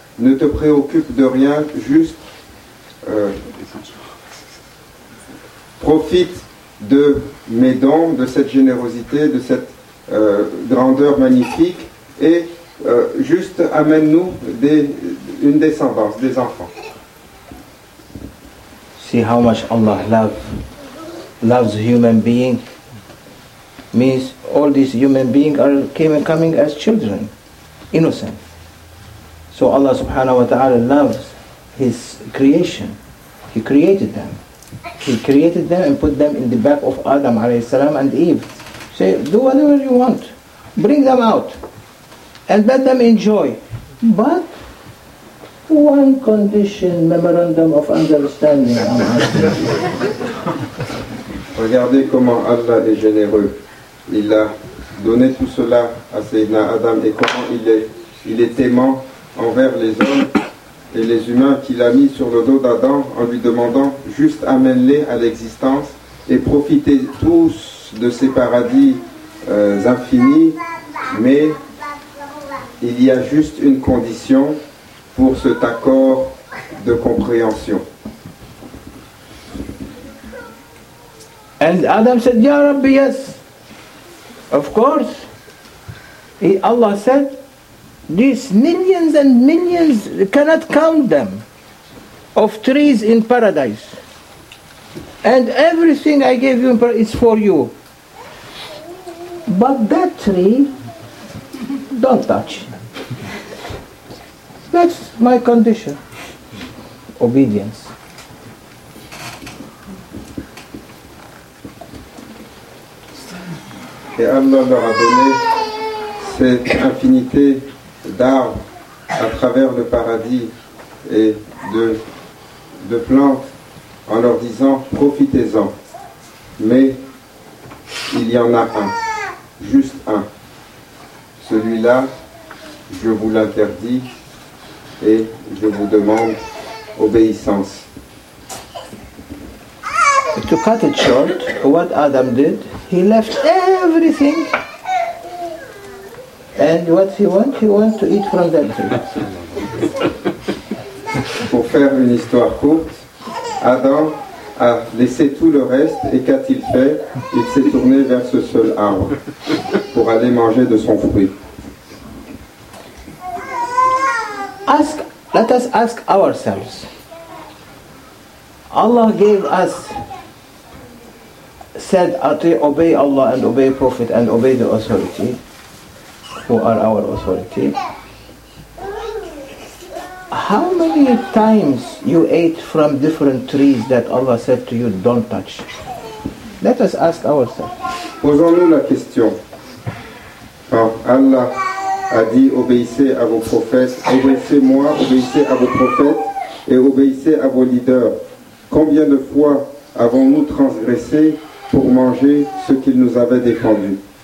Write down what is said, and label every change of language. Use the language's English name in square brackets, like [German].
[French] Ne te préoccupe de rien, juste profite de mes dons, de cette générosité, de cette grandeur magnifique et juste amène-nous une descendance, des enfants. [English] See how much Allah loves human being. Means all these human beings are came and coming as children, innocent. So Allah subhanahu wa ta'ala loves His creation. He created them. He created them and put them in the back of Adam alayhi salam and Eve. Say, do whatever you want. Bring them out. And let them enjoy. But one condition, memorandum of understanding. [French] Regardez comment Allah est généreux. Il a donné tout cela à Sayyidina Adam et comment il est aimant envers les hommes et les humains qu'il a mis sur le dos d'Adam en lui demandant juste amène-les à l'existence et profitez tous de ces paradis infinis, mais il y a juste une condition pour cet accord de compréhension. [English] And Adam said, [Arabic] Ya Rabbi, [English] yes. Of course. Allah said, these millions and millions, cannot count them, of trees in paradise. And everything I gave you is for you. But that tree, don't touch. That's my condition. Obedience. [French] Et Allah leur a donné cette infinité d'arbres à travers le paradis et de plantes en leur disant profitez-en, mais il y en a un, juste un. Celui-là, je vous l'interdis et je vous demande obéissance. [English] To cut it short, what Adam did, he left everything. And what he want? He want to eat from that tree. [French] Pour faire une histoire courte, Adam a laissé tout le reste et qu'a-t-il fait? Il s'est tourné vers ce seul arbre pour aller manger de son fruit. [English] Let us ask ourselves. Allah gave us said, obey Allah and obey Prophet and obey the authority, who are our authority. How many times you ate from different trees that Allah said to you, don't touch? Let us ask ourselves. [French] Posons-nous la question. Quand Allah a dit, obéissez à vos prophètes, obéissez-moi, obéissez à vos prophètes et obéissez à vos leaders. Combien de fois avons-nous transgressé pour manger ce qu'il nous avait défendu?